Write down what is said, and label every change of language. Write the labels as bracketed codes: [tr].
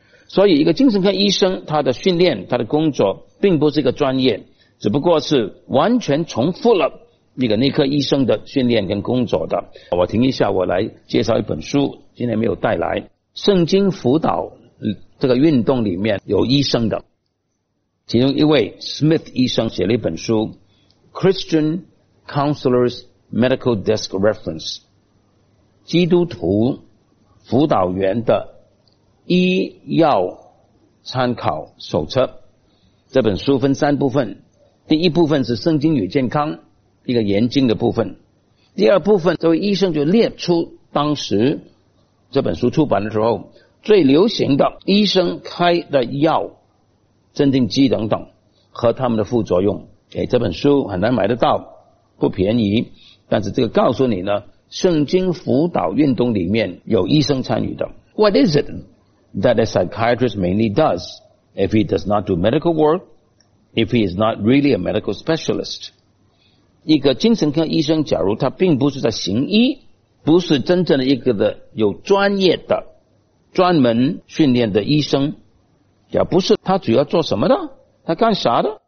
[zh] 所以一个精神科医生他的训练他的工作并不是一个专业，只不过是完全重复了一个内科医生的训练跟工作的。我停一下，我来介绍一本书，今天没有带来。圣经辅导这个运动里面有医生的。其中一位 Smith 医生写了一本书 Christian Counselor's Medical Desk Reference， 基督徒辅导员的医药参考手册。这本书分三部分，第一部分是圣经与健康，一个研经的部分。第二部分，这位医生就列出当时这本书出版的时候最流行的医生开的药、镇定剂等等和他们的副作用。这本书很难买得到，不便宜，但是这个告诉你呢，圣经辅导运动里面有医生参与的。 [en] What is it that a psychiatrist mainly does if he does not do medical work, if he is not really a medical specialist? [zh] 一个精神科医生假如他并不是在行医，不是真正的一个的有专业的专门训练的医生，也不是他主要做什么的，他干啥的？